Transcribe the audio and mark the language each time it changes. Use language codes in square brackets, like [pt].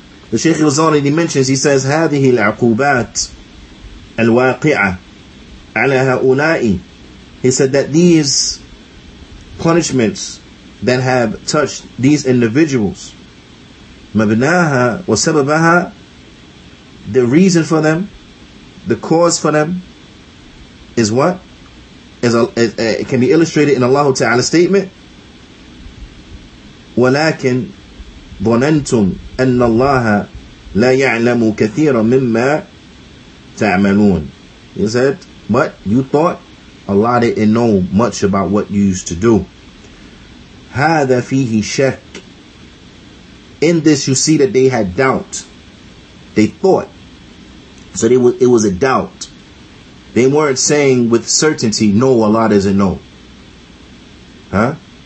[en] The Shaykh Al-Zani, he mentions, he says, [ar] هَذِهِ الْعَقُوبَاتِ الْوَاقِعَةِ عَلَى هَؤُلَاءِ. [en] He said that these punishments that have touched these individuals, [ar] مَبْنَاهَا وَسَبَبَهَا, [en] the reason for them, the cause for them, is what? It can be illustrated in Allah Ta'ala's statement, [ar] وَلَكِنْ ظَنَنْتُمْ أَنَّ اللَّهَ لَا يَعْلَمُ كَثِيرًا مِمَّا تَعْمَلُونَ. [en] He said, but you thought Allah didn't know much about what you used to do. [ar] هَذَا فِيهِ شَكْ. [en] In this you see that they had doubt. They thought. So it was a doubt. They weren't saying with certainty, no, Allah doesn't know. Huh?